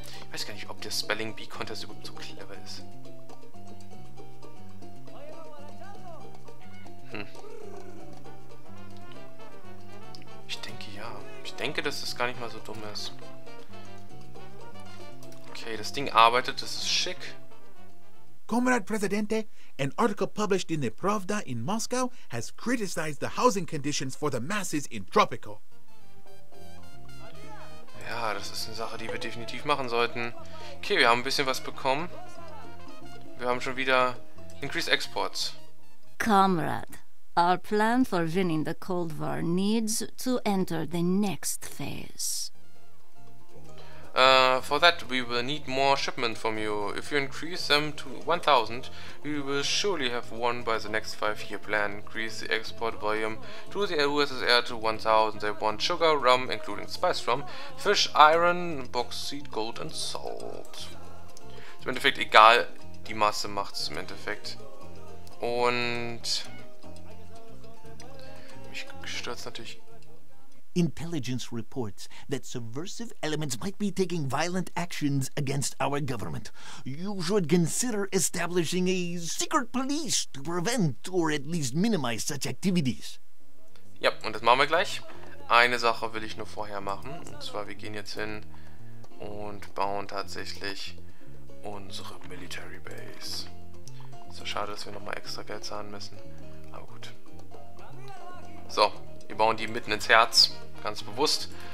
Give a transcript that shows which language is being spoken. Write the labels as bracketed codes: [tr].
[de] Ich weiß gar nicht, ob der Spelling Bee Contest überhaupt so clever ist. Ich denke ja. Ich denke, dass das gar nicht mal so dumm ist. Okay, das Ding arbeitet, das ist schick. [en] Comrade Presidente, an article published in the Pravda in Moscow has criticized the housing conditions for the masses in Tropical. [de] Ja, das ist eine Sache, die wir definitiv machen sollten. Okay, wir haben ein bisschen was bekommen. Wir haben schon wieder [en] increased exports. Comrade, our plan for winning the Cold War needs to enter the next phase. For that, we will need more shipment from you. If you increase them to 1,000, we will surely have won by the next 5-year plan. Increase the export volume to the USSR to 1,000. They want sugar, rum, including spice rum, fish, iron, bauxite, gold and salt. [de] Im Endeffekt, egal, die Masse macht es im Endeffekt. Und mich stört es natürlich. [en] Intelligence reports that subversive elements might be taking violent actions against our government. You should consider establishing a secret police to prevent or at least minimize such activities. [de] Ja, und das machen wir gleich. Eine Sache will ich nur vorher machen. Und zwar, wir gehen jetzt hin und bauen tatsächlich unsere Military Base. Ist ja schade, dass wir nochmal extra Geld zahlen müssen. Aber gut. So, wir bauen die mitten ins Herz. Ganz bewusst.